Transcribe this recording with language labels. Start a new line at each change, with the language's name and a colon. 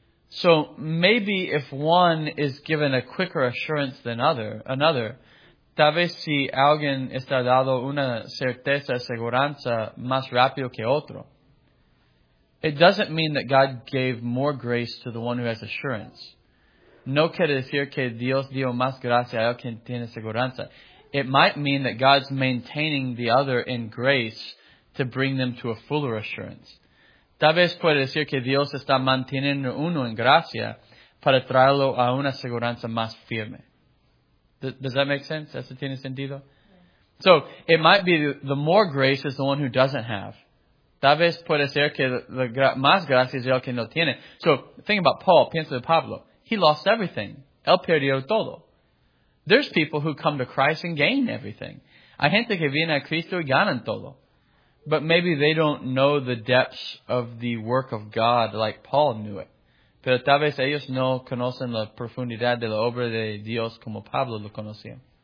English: So maybe if one is given a quicker assurance than another,
Spanish: tal vez si alguien está dado una certeza, seguranza más rápido que otro,
English: it doesn't mean that God gave more grace to the one who has assurance.
Spanish: No quiere decir que Dios dio más gracia a él quien tiene seguranza.
English: It might mean that God's maintaining the other in grace to bring them to a fuller assurance.
Spanish: Tal vez puede decir que Dios está manteniendo uno en gracia para traerlo a una seguridad más firme.
English: Does that make sense?
Spanish: ¿Eso tiene sentido?
English: So, it might be the more grace is the one who doesn't have.
Spanish: Tal vez puede ser que más gracia es el que no tiene.
English: So, think about Paul.
Spanish: Piensa de Pablo.
English: He lost everything.
Spanish: Él perdió todo.
English: There's people who come to Christ and gain everything.
Spanish: Hay gente que viene a Cristo y ganan todo.
English: But maybe they don't know the depths of the work of God like Paul knew it.
Spanish: Pero tal vez ellos no conocen la profundidad de la obra de Dios como Pablo lo conocía.